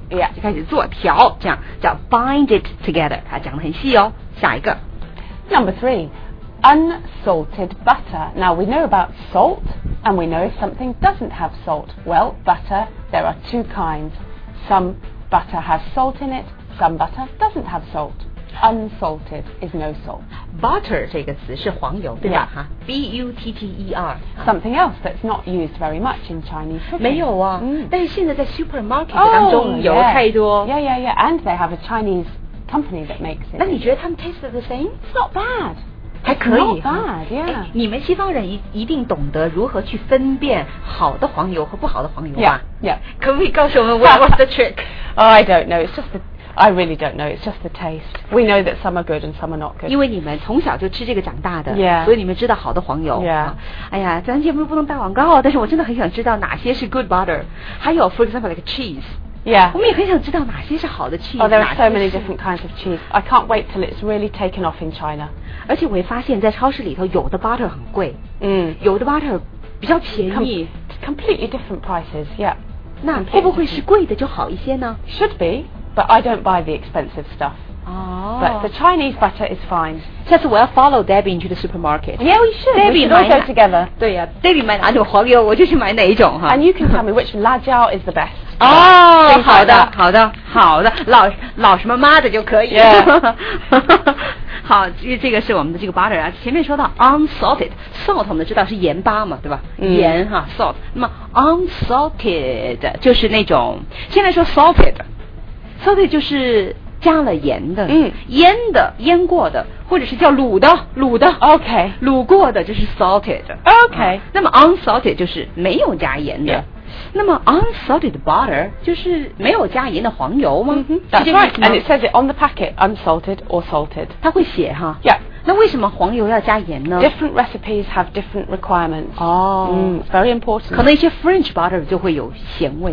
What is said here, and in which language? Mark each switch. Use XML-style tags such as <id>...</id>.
<en>yeah.</en> <zh>就开始做条这样叫 bind it together 它、啊、讲得很细哦下一个</zh> <en>Number three unsalted butter now we know about salt and we know if something doesn't have salt well butter there are two kinds some butter has salt in it some butter doesn't have salt unsalted is no salt.</en> <zh>Butter 这个词是黄油，对吧？</zh> <en>Yeah. B-U-T-T-E-R. Something else that's not used very much in Chinese cooking.</en> <zh>没有啊、mm. 但是现在在 supermarket 当中油太多。</zh> <en>Yeah, yeah, yeah. And they have a Chinese company that makes it.</en> <zh>那你觉得他们</zh> <en>taste the same? It's not bad.</en> <zh>还可以、</zh> <en>啊 bad, yeah.</en> <zh>你们西方人一定懂得如何去分辨好的黄油和不好的黄油吧</zh> <en>yeah, yeah.</en> <zh>可不可以告诉我们</zh> <en>what's the trick? I don't know, I really don't know, it's just the taste. We know that some are good and some are not good.</en> <zh>因为你们从小就吃这个长大的、</zh> <en>yeah.</en> <zh>所以你们知道好的黄油、</zh> <en>yeah.</en> <zh>啊、哎呀咱节目不能打广告但是我真的很想知道哪些是</zh> <en>good butter</en> <zh>还有</zh> <en>for example like cheese Yeah.</en> <zh>我们也很想知道哪些是好的 cheese</zh> <en>Oh, there are so many different kinds of cheese I can't wait till it's really taken off in China</en> <zh>而且我也发现在超市里头有的 butter 很贵、嗯、有的 butter 比较便宜</zh> <en>completely different prices, yeah</en> <zh>那会不会是贵的就好一些呢</zh> <en>Should be, but I don't buy the expensive stuff、 oh. But the Chinese butter is fine</en> <zh>下次我要</zh> <en>follow Debbie into the supermarket Yeah, we should, Debbie we should go together</en> <zh>对呀、啊、Debbie 买哪种黄油我就去买哪一种哈</zh> <en>And you can tell me which 辣椒 is the best</en> <zh>哦、oh, ，好的，好的，好的，老什么妈的就可以。</zh> <en>Yeah.</en> <zh>好，这个是我们的这个 butter 啊，前面说到 unsalted salt 我们知道是盐巴嘛，对吧？嗯、盐哈 salt， 那么 unsalted 就是那种，先来说 salted 就是加了盐的，嗯，腌的，腌过的，或者是叫卤的</zh> <en>，OK，</en> <zh>卤过的就是 salted，OK，、</zh> <en>okay.</en> <zh>啊、那么 unsalted 就是没有加盐的。</zh> <en>Yeah.</en> <zh>那么 unsalted butter 就是没有加盐的黄油吗、 mm-hmm.</zh> <en>That's right And it says it on the packet Unsalted or salted</en> <zh>它会写哈</zh> <en>Yeah</en> <zh>那为什么黄油要加盐呢</zh> <en>Different recipes have different requirements</en> <zh>哦、oh,</zh> <en>mm, It's very important</en> <zh>可能一些 French butter 就会有咸味</zh>